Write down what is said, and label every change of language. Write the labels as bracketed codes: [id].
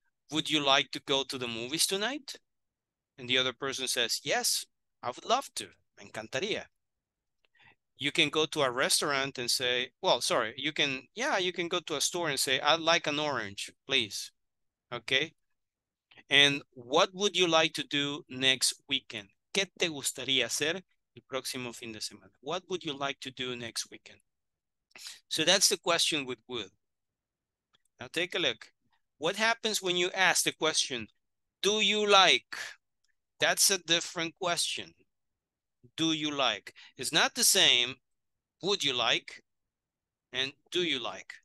[en] Would you like to go to the movies tonight? And the other person says, yes, I would love to. [es] Me encantaría. [en] You can go to a restaurant and say, well, sorry, you can go to a store and say, I'd like an orange, please. Okay. And what would you like to do next weekend? [es] ¿Qué te gustaría hacer el próximo fin de semana? [en] What would you like to do next weekend? So that's the question with would. Now take a look. What happens when you ask the question, do you like? That's a different question. Do you like? It's not the same, would you like and do you like?